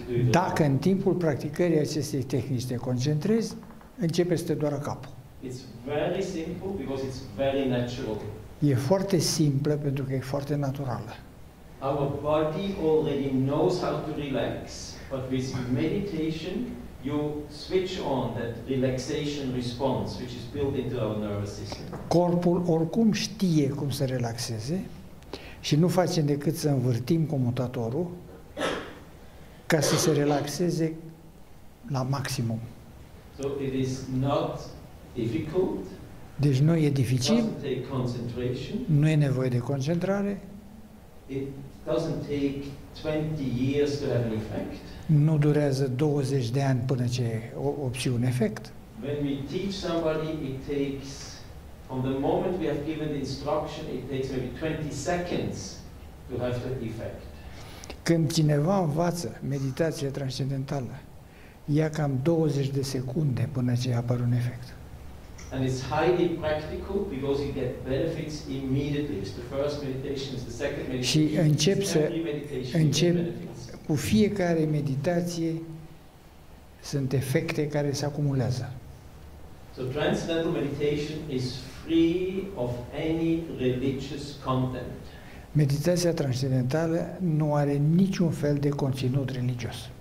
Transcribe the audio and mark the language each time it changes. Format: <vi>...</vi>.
<ro>Dacă în timpul practicării acestei tehnici te concentrezi, începe să te doară capul.</ro> <en>It's very simple because it's very natural.</en> <ro>E foarte simplă pentru că e foarte naturală.</ro> <en>Our body already knows how to relax, but with meditation you switch on that relaxation response which is built into our nervous system.</en> <ro>Corpul oricum știe cum să relaxeze și nu facem decât să învârtim comutatorul ca să se relaxeze la maximum.</ro> <en>So it is not difficult.</en> <ro>Deci nu e dificil.</ro> <en>It doesn't take concentration.</en> <ro>Nu e nevoie de concentrare.</ro> <en>It doesn't take 20 years to have an effect.</en> <ro>Nu durează 20 de ani până ce obții un efect.</ro> <en>When we teach somebody, it takes From the moment we have given the instruction, it takes maybe 20 seconds to have the effect.</en> <ro>Când cineva învață meditația transcendentală, ia cam 20 de secunde până ce apare un efect.</ro> <en>And it's highly practical because you get benefits immediately. It's the first meditation, it's the second meditation.</en> <ro>Și încep să încep cu fiecare meditație sunt efecte care se acumulează.</ro> <en>So transcendental meditation is free of any religious content.</en> <ro>Meditația transcendentală nu are niciun fel de conținut religios.</ro>